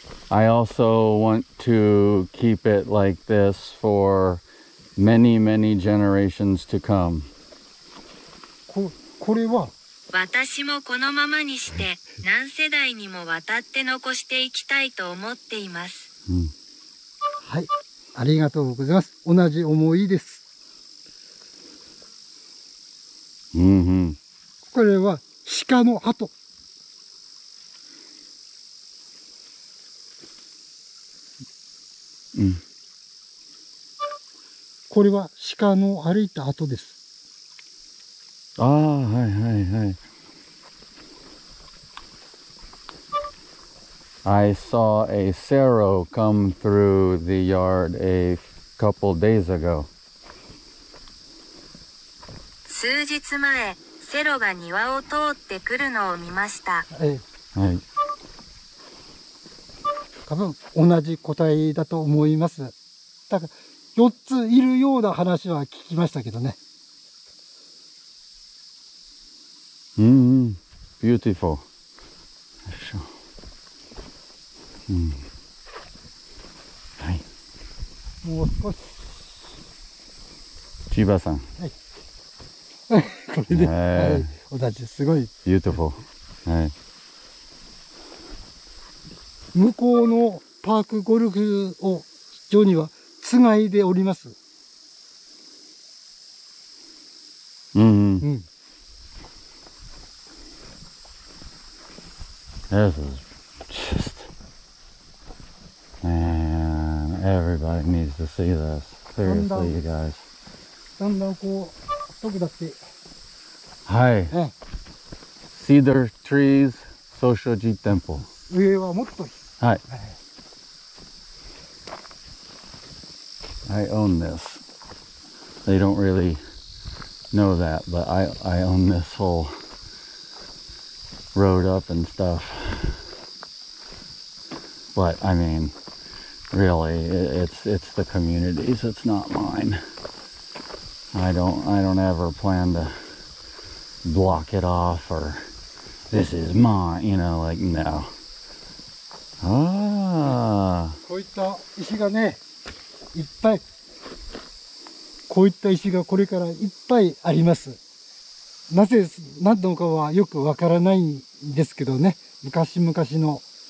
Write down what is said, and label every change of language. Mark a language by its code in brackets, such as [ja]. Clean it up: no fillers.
[en] I also want to keep it like this for many, many generations to come. [ja] これは私もこのままにして何世代にも渡って残していきたいと思っています。うん、はい、ありがとうございます。同じ思いです。うんうん、これは鹿の跡。うん、これは鹿の歩いた跡です。ああ、はいはいはい。 [en] I saw a sparrow come through the yard a couple days ago. [ja] 数日前、セロが庭を通ってくるのを見ました。はい、はい、多分同じ個体だと思います。だから4ついるような話は聞きましたけどね。うんうん、beautiful。よいしょ。うん、はい、もう少し千葉さん、はいこれで、はい、同じ、すごい beautiful。 はい、向こうのパークゴルフ場にはつがいでおります。うんうん、うん、 [en] This is just, man, everybody needs to see this. Seriously, you guys. [ja] だんだんこう、遠くだって。 [en] はい。Cedar trees, Soshoji Temple. [ja] 上はもっと低い。はい。 [en] I own this. They don't really know that, but I own this whole road up and stuff. But I mean, really, it's the communities. It's not mine. I don't ever plan to block it off or this is mine. You know, like no. Ah. [ja] こういった石がね、いっぱい。こういった石がこれからいっぱいあります。なぜ何のかはよくわからないんですけどね。昔々の。